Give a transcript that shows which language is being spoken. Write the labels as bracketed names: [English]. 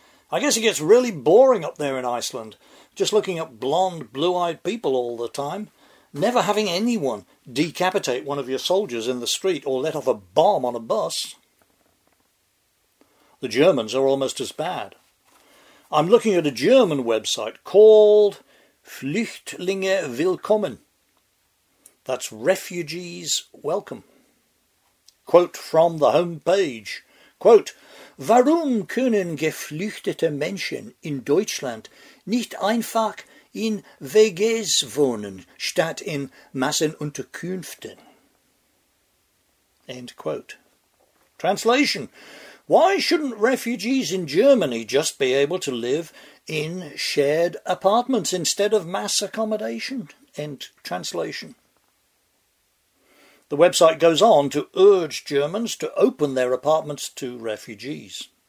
[English] I guess it gets really boring up there in Iceland, just looking at blonde, blue-eyed people all the time, never having anyone decapitate one of your soldiers in the street or let off a bomb on a bus. The Germans are almost as bad. I'm looking at a German website called Flüchtlinge Willkommen. That's refugees welcome. Quote from the home page. [German] Quote, "Warum können geflüchtete Menschen in Deutschland nicht einfach in WGs wohnen, statt in Massenunterkünften?" [English] End quote. Translation. Why shouldn't refugees in Germany just be able to live in shared apartments instead of mass accommodation? End translation. The website goes on to urge Germans to open their apartments to refugees.